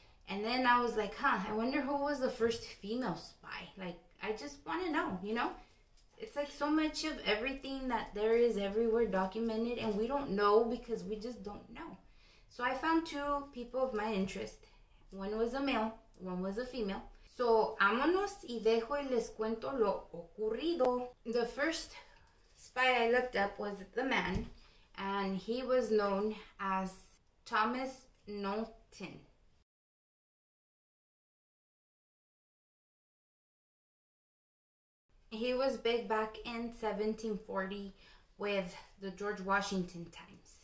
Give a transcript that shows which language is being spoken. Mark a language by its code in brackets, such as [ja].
[en] And then I was like, huh, I wonder who was the first female spy. Like, I just want to know, you know? It's like so much of everything that there is everywhere documented, and we don't know because we just don't know. So I found two people of my interest. One was a male, one was a female. [es] So, vámonos y dejo y les cuento lo ocurrido. [en] The first spy I looked up was the man, and he was known as Thomas Knowlton. He was big back in 1740 with the George Washington times.